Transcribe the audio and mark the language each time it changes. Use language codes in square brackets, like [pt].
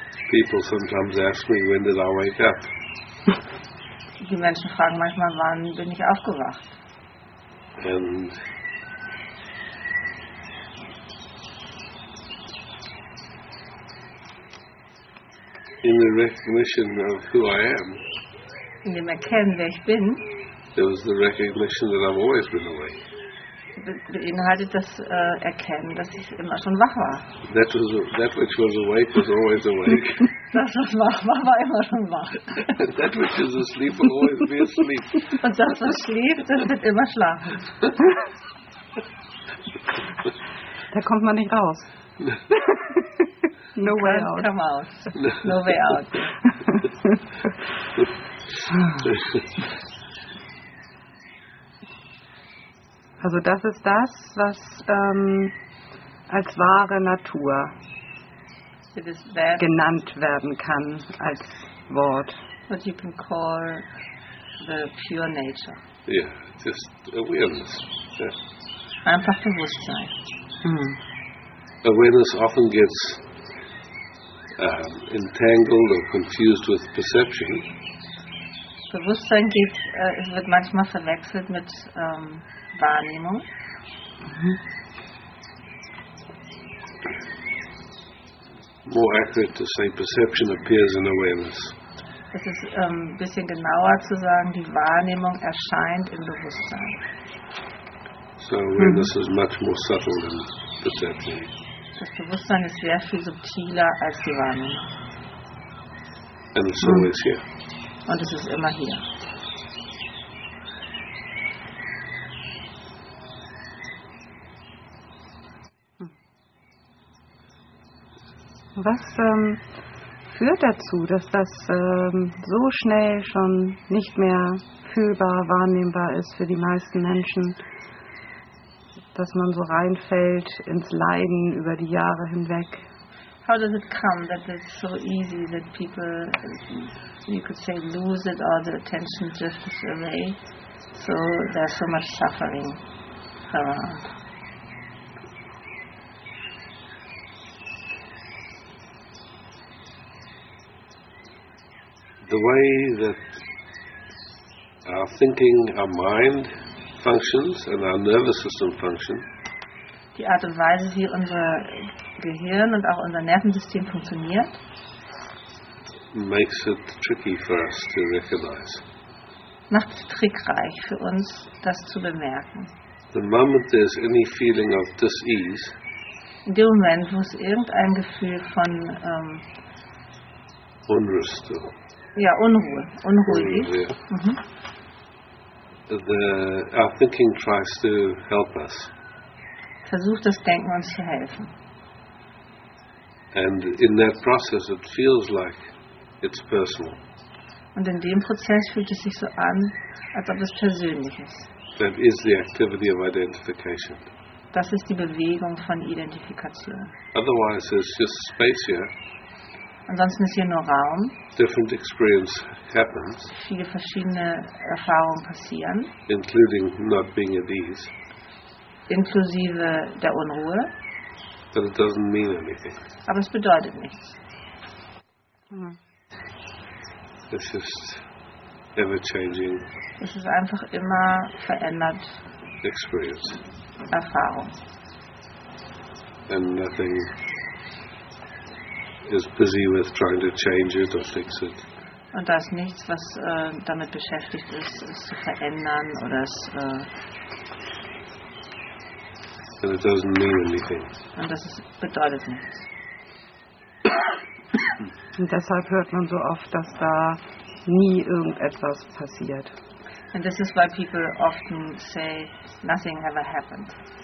[en] People sometimes ask me, when did I wake up? [de] Die Menschen fragen manchmal, wann bin ich aufgewacht? [en] And in the recognition of who I am, [de] in dem Erkennen, wer ich bin, [en] there was the recognition that I've always been awake. [de] Beinhaltet das Erkennen, dass ich immer schon wach war. [en] That which was awake was always awake. [de] Das, was wach war, war immer schon wach. [en] That which is asleep will always be asleep. [de] Und das, was schläft, das wird immer schlafen. Da kommt man nicht raus. [en] No way out. Come out. No way out. [de] Also das ist das, was als wahre Natur genannt werden kann als Wort. [en] What you can call the pure nature. Yeah, just awareness. [de] Yeah. Einfach Bewusstsein. [en] Awareness often gets entangled or confused with perception. [de] Bewusstsein geht, es wird manchmal verwechselt mit Wahrnehmung. [en] More accurate to say perception appears in awareness. [de] Es ist ein bisschen genauer zu sagen, die Wahrnehmung erscheint im Bewusstsein. [en] So awareness is much more subtle than perception. [de] Das Bewusstsein ist sehr viel subtiler als die Wahrnehmung. [en] And it's always here. [de] Und es ist immer hier. Was führt dazu, dass das so schnell schon nicht mehr fühlbar, wahrnehmbar ist für die meisten Menschen, dass man so reinfällt ins Leiden über die Jahre hinweg? [en] How does it come that it's so easy that people, you could say, lose it or the attention drifts away? So there's so much suffering around. The way that our thinking, our mind functions and our nervous system function. [de] Die Art und Weise, wie unser Gehirn und auch unser Nervensystem funktioniert. [en] Makes it tricky for us to recognize. [de] Macht es trickreich für uns, das zu bemerken. [en] The moment there's any feeling of dis-ease. [de] In dem Moment, wo es irgendein Gefühl von Unrust oder ja, Unruhe. [en] Our thinking tries to help us. [de] Versucht das Denken uns zu helfen. [en] And in that process it feels like it's personal. [de] Und in dem Prozess fühlt es sich so an, als ob es persönlich ist. [en] That is the activity of identification. [de] Das ist die Bewegung von Identifikation. [en] Otherwise it's just space here. [de] Ansonsten ist hier nur Raum. [en] Different experience happens. [de] Viele verschiedene Erfahrungen passieren. [en] Including not being at ease. [de] Inklusive der Unruhe. [en] But it doesn't mean anything. [de] Aber es bedeutet nichts. [en] It's just ever changing. [de] Es ist einfach immer verändert. [en] Experience. [de] Erfahrung. [en] And nothing is busy with trying to change it or fix it. [de] Und da ist nichts, was damit beschäftigt ist, es zu verändern oder es. [en] And it doesn't mean anything. [de] Und das bedeutet nichts. Und deshalb hört man so oft, dass da nie irgendetwas passiert. [en] And this is why people often say nothing ever happened.